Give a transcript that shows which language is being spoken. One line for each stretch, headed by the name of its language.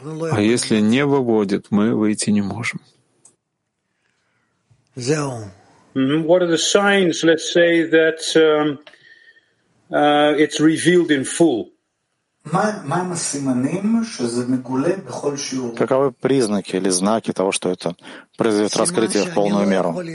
Russian: А если не выводит, мы выйти не можем.
English: What are the signs, let's say, that it's revealed in full?
Russian: Каковы признаки или знаки того, что это произойдет раскрытие в полную меру?